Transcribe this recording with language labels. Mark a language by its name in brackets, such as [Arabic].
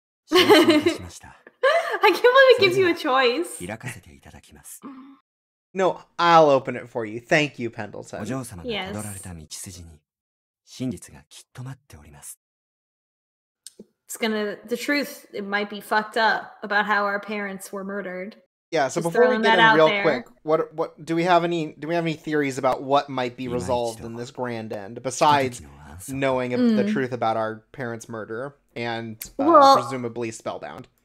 [English] I can't believe it gives you a choice. [Japanese] 開かせていただきます。 [English] No, I'll open it for you. Thank you, Pendleton. [Japanese] お嬢様が辿られた道筋に真実がきっと待っております。 [English] The truth, it might be fucked up about how our parents were murdered. Yeah, so、Just、before we get in real there, quick, what, do we have any theories about what might be resolved in this grand end, besides knowing the truth about our parents' murder and、presumably spellbound?